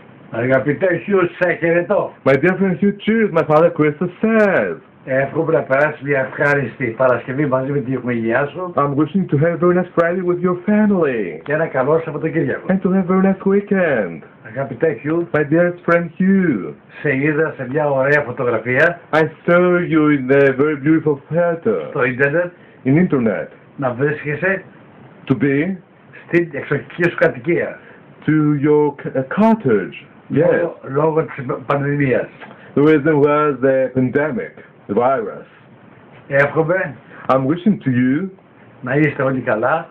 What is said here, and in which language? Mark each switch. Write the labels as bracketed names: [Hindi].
[Greek] Αγαπητέ Χιού, σε χαιρετώ. [English] My dear friend Hugh, cheers, my father Christopher says. [Greek] Εύχομαι να περάσεις μια ευχάριστη Παρασκευή μαζί με την οικογένειά σου. [English] I'm wishing to have a very nice Friday with your family. [Greek] Και ένα καλό Σαββατοκύριακο. [English] And to have a very nice weekend. [Greek] Αγαπητέ Χιού. [English] My dear friend Hugh. [Greek] Σε είδα σε μια ωραία φωτογραφία. [English] I saw you in a very beautiful photo. [Greek] Στο ίντερνετ. [English] In internet. [Greek] Να βρίσκεσαι. [English] To be. [Greek] Στην εξωτική σου κατοικία. [English] To your cottage. Yes. [Greek] Λόγω της πανδημίας. [English] The reason was the pandemic, the virus. [Greek] Εύχομαι. [English] I'm wishing to you. [Greek] Να είστε όλοι καλά.